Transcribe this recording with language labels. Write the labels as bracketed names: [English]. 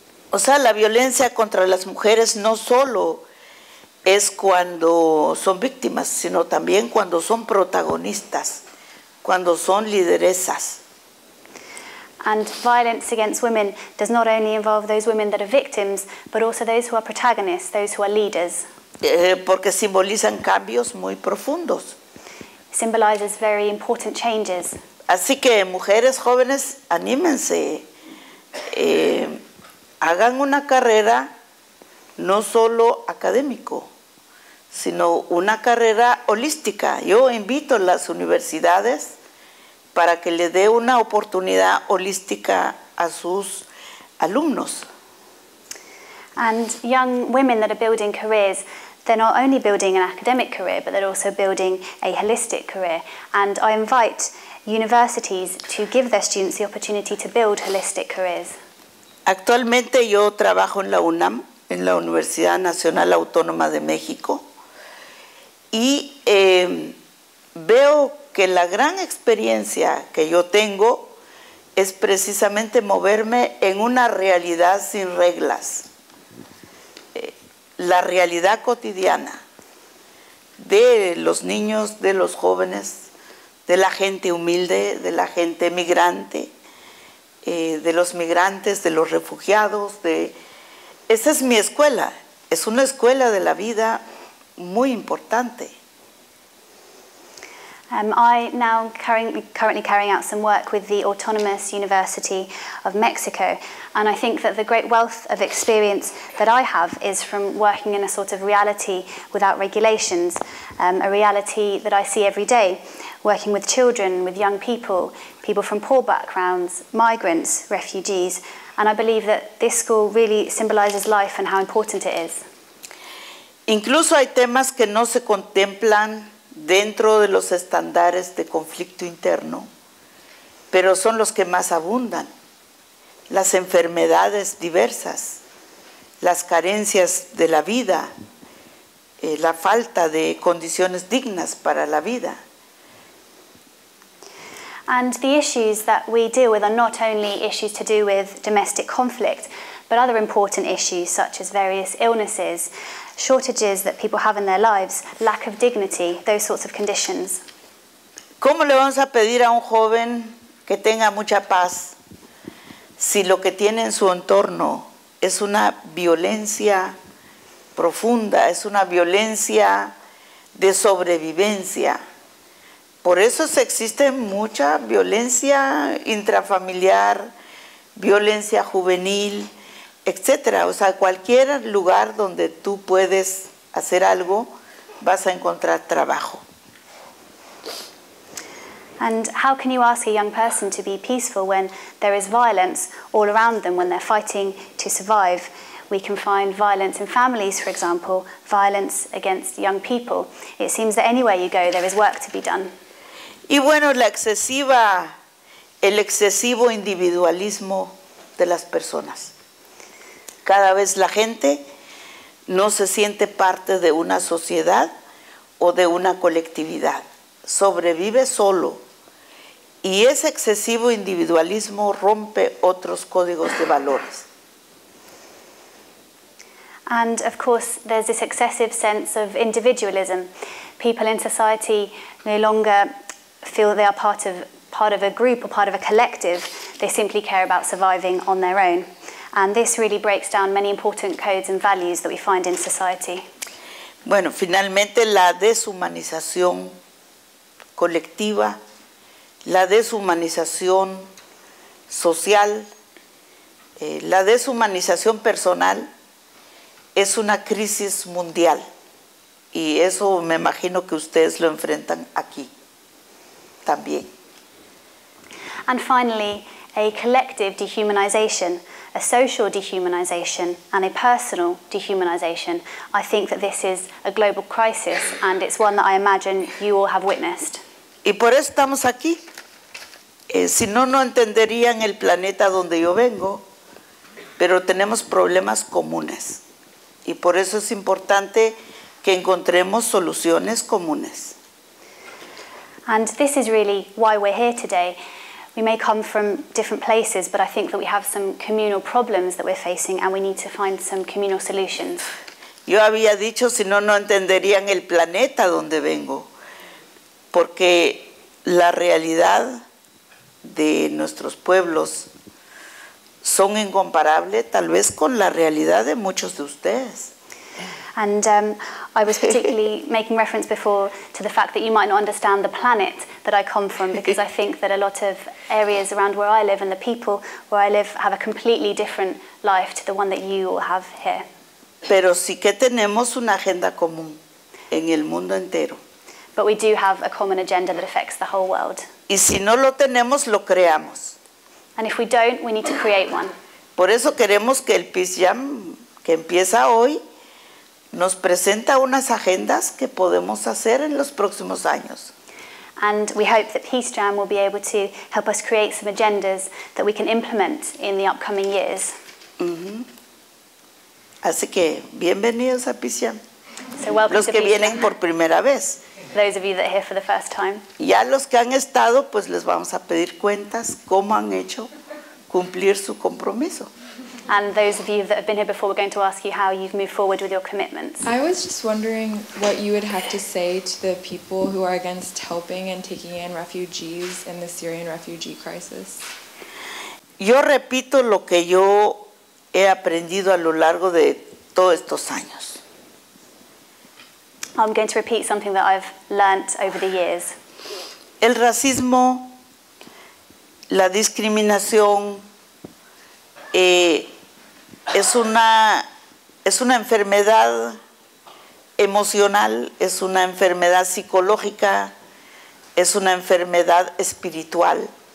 [Spanish] O sea, la violencia contra las mujeres no solo es cuando son víctimas, sino también cuando son protagonistas, cuando son lideresas. [English] And violence against women does not only involve those women that are victims, but also those who are protagonists, those who are leaders. [Spanish] Porque simbolizan cambios muy profundos. [English] Symbolizes very important changes. [Spanish] Así que, mujeres jóvenes, anímense. Hagan una carrera no solo académico, sino una carrera holística. Yo invito a las universidades para que le dé una oportunidad holística a sus alumnos. [English] And young women that are building careers, they're not only building an academic career, but they're also building a holistic career. And I invite universities to give their students the opportunity to build holistic careers. [Spanish] Actualmente yo trabajo en la UNAM, en la Universidad Nacional Autónoma de México, y veo que la gran experiencia que yo tengo es precisamente moverme en una realidad sin reglas. La realidad cotidiana de los niños, de los jóvenes, de la gente humilde, de la gente migrante, de los migrantes, de los refugiados. Esa es mi escuela. Es una escuela de la vida muy importante. [English] I now currently carrying out some work with the Autonomous University of Mexico, and I think that the great wealth of experience that I have is from working in a sort of reality without regulations, a reality that I see every day, working with children, with young people, people from poor backgrounds, migrants, refugees, and I believe that this school really symbolizes life and how important it is. [Spanish] Incluso hay temas que no se contemplan dentro de los estándares de conflicto interno, pero son los que más abundan. Las enfermedades diversas, las carencias de la vida, la falta de condiciones dignas para la vida. [English] And the issues that we deal with are not only issues to do with domestic conflict, but other important issues such as various illnesses, shortages that people have in their lives, lack of dignity, those sorts of conditions. [Spanish] ¿Cómo le vamos a pedir a un joven que tenga mucha paz si lo que tiene en su entorno es una violencia profunda, es una violencia de sobrevivencia? Por eso existe mucha violencia intrafamiliar, violencia juvenil, etcétera. O sea, cualquier lugar donde tú puedes hacer algo, vas a encontrar trabajo. [English] And how can you ask a young person to be peaceful when there is violence all around them, when they're fighting to survive? We can find violence in families, for example, violence against young people. It seems that anywhere you go, there is work to be done. [Spanish] Y bueno, el excesivo individualismo de las personas. Cada vez la gente no se siente parte de una sociedad o de una colectividad. Sobrevive solo. Y ese excesivo individualismo rompe otros códigos de valores. [English] And of course, there's this excessive sense of individualism. People in society no longer feel they are part of a group or part of a collective. They simply care about surviving on their own. And this really breaks down many important codes and values that we find in society. [Spanish] Bueno, finalmente la deshumanización colectiva, la deshumanización social, la deshumanización personal es una crisis mundial. Y eso me imagino que ustedes lo enfrentan aquí también. [English] And finally, a collective dehumanization. a social dehumanisation and a personal dehumanisation. I think that this is a global crisis, and it's one that I imagine you all have witnessed. [Spanish] Y por eso estamos aquí. Si no, no entenderían el planeta donde yo vengo, pero tenemos problemas comunes. Y por eso es importante que encontremos soluciones comunes. [English] And this is really why we're here today. We may come from different places, but I think that we have some communal problems that we're facing, and we need to find some communal solutions. [Spanish] Yo había dicho, si no, no entenderían el planeta donde vengo, porque la realidad de nuestros pueblos son incomparable, tal vez, con la realidad de muchos de ustedes. [English] And I was particularly making reference before to the fact that you might not understand the planet that I come from, because I think that a lot of areas around where I live and the people where I live have a completely different life to the one that you all have here. [Spanish] Pero sí que tenemos una agenda común en el mundo entero. [English] But we do have a common agenda that affects the whole world. [Spanish] Y si no lo tenemos, lo creamos. [English] And if we don't, we need to create one. [Spanish] Por eso queremos que el Peace Jam, que empieza hoy, nos presenta unas agendas que podemos hacer en los próximos años. [English] And we hope that Peace Jam will be able to help us create some agendas that we can implement in the upcoming years. [Spanish] Uh-huh. Así que, bienvenidos a Peace Jam. [English] So welcome [Spanish] los que vienen por primera vez. [English] Those of you that are here for the first time. [Spanish] Ya los que han estado, pues les vamos a pedir cuentas cómo han hecho cumplir su compromiso. [English] And those of you that have been here before, we're going to ask you how you've moved forward with your commitments. I was just wondering what you would have to say to the people who are against helping and taking in refugees in the Syrian refugee crisis. [Spanish] Yo repito lo que yo he aprendido a lo largo de todos estos años. [English] I'm going to repeat something that I've learnt over the years. [Spanish] El racismo, la discriminación, es una enfermedad emocional, es una enfermedad psicológica, es una enfermedad espiritual.